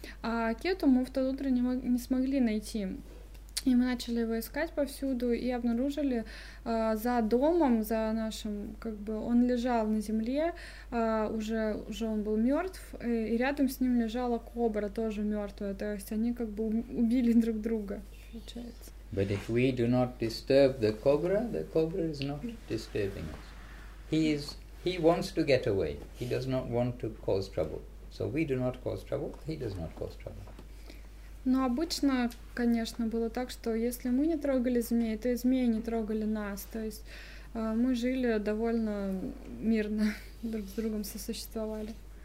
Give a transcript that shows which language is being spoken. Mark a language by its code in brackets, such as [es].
[ru] А Кету мы в то утро не смогли найти. И мы начали его искать повсюду, и обнаружили за домом, за нашим, как бы, он лежал на земле, уже он был мертв, и рядом с ним лежала кобра, тоже мертвая. То есть они как бы убили друг друга, получается. [en] But if we do not disturb the cobra is not disturbing us. He wants to get away. He does not want to cause trouble. So we do not cause trouble, he does not cause trouble. [ru] Но обычно, конечно, было так, что если мы не трогали змей, то и змеи не трогали нас. То есть мы жили довольно мирно, друг с другом сосуществовали.